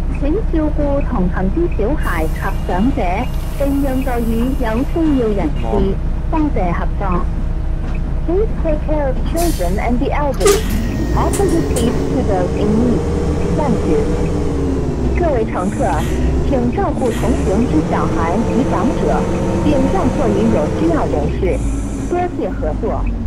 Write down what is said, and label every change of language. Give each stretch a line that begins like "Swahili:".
Chinese: 行之小孩及长者，并让座与有需要人士，多谢合作。
English: Please take care of children and the elderly. Offer your seat to those in need. Thank you.
Chinese: 各位乘客，请照顾同行之小孩及长者，并让座与有需要人士，多谢合作。